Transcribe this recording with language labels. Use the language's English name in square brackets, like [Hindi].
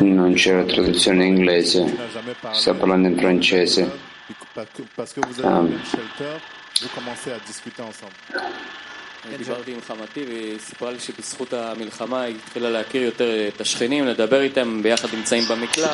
[Italian] Non c'è la traduzione inglese, sta parlando in francese. [French] Parce que vous avez un shelter, vous commencez à discuter ensemble. [Hebrew] דיברתי עם חמתי וסיפרה לי שבזכות המלחמה היא התחילה להכיר יותר את השכנים, לדבר איתם ביחד נמצאים במקלט.